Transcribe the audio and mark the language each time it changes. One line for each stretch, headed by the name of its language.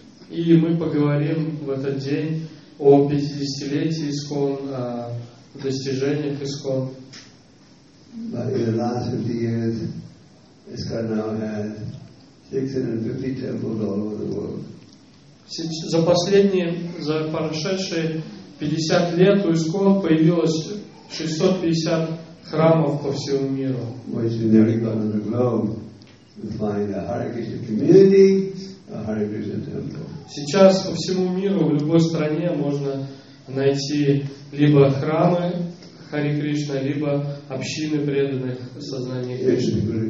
Russian: И мы поговорим в этот день о 50-летии ИСКОН, о достижениях ИСКОН.
English: But in the last 50 years, ISKCON now had 650 temples all over the world.
Russian: За последние, за прошедшие 50 лет у ИСКОН появилось 650 храмов по всему миру.
English: Which in every part of the globe, you find a Hare Krishna community, a Hare Krishna temple.
Russian: Сейчас по всему миру, в любой стране можно найти либо храмы Хари Кришна, либо общины преданных сознания Кришны.